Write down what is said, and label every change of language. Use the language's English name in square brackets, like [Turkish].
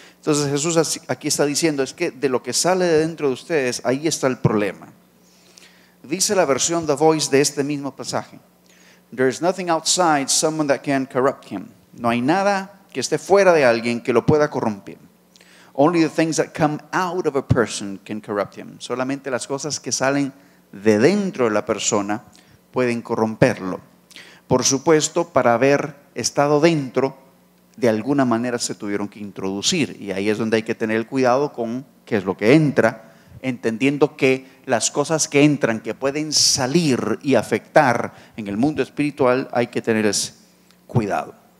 [Spanish] Entonces Jesús aquí está diciendo, es que de lo que sale de dentro de ustedes, ahí está el problema. Dice la versión The Voice de este mismo pasaje, [English] there is nothing outside someone that can corrupt him. [Spanish] No hay nada que esté fuera de alguien que lo pueda corromper. [English] Only the things that come out of a person can corrupt him. [Spanish] Solamente las cosas que salen de dentro de la persona pueden corromperlo. Por supuesto, para haber estado dentro, de alguna manera se tuvieron que introducir. Y ahí es donde hay que tener el cuidado con qué es lo que entra, entendiendo que las cosas que entran, que pueden salir y afectar en el mundo espiritual, hay que tener ese cuidado.